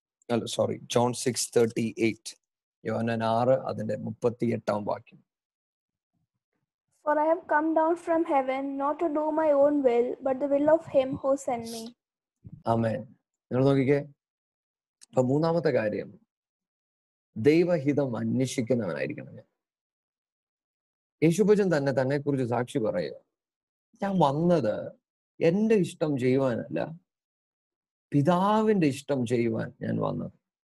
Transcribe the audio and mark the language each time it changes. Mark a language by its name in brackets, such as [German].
[Malayalam] Hello sorry, John 6:38, യോഹന്നാൻ 6 അതിന്റെ 38th വാക്യം. [English] For I have come down from heaven not to do my own will but the will of him who sent me. [Malayalam] ആമേൻ. നിങ്ങൾ നോക്കിക്കേ, അപ്പോൾ മൂന്നാമത്തെ കാര്യം, ദൈവഹിതം അന്വേഷിക്കുന്നവനായിരിക്കണം ഞാൻ. യേശുഭജൻ തന്നെ തന്നെ കുറിച്ച് സാക്ഷി പറയുക, ഞാൻ വന്നത് എന്റെ ഇഷ്ടം ചെയ്യുവാനല്ല, പിതാവിന്റെ ഇഷ്ടം ചെയ്യുവാൻ ഞാൻ വന്നത്.